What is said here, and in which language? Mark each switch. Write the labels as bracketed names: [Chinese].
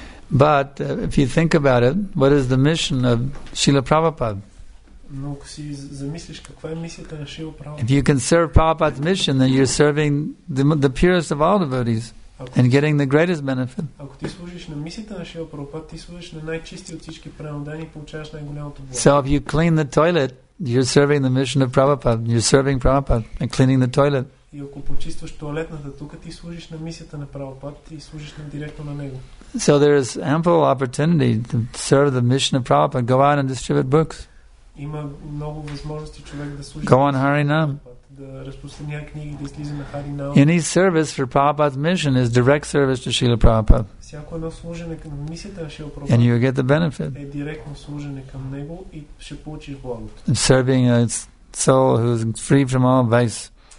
[English] But if you think about it, what is the mission of Srila Prabhupada? If you can serve Prabhupada's mission, then you're serving the purest of all devotees and getting the greatest benefit. [Bulgarian] Ако ти служиш на мисията на Шрила Прабхупада, ти служиш на най-чистия от всички преодолени и получаваш най-голямото благо. [English] So if you clean the toilet, you're serving the mission of Prabhupada. You're serving Prabhupada and cleaning the toilet. [Bulgarian] И ако почистваш тоалетната тук, ти служиш на мисията на Прабхупада, ти служиш директно на него. [English] So there is ample opportunity to serve the mission of Prabhupada. Go out and distribute books. [Bulgarian] Има много възможности човек да служи. [English] Go on Harinam. Any service for Prabhupada's mission is direct service to Srila Prabhupada. And you get the benefit. Of serving a soul who is free from all vice.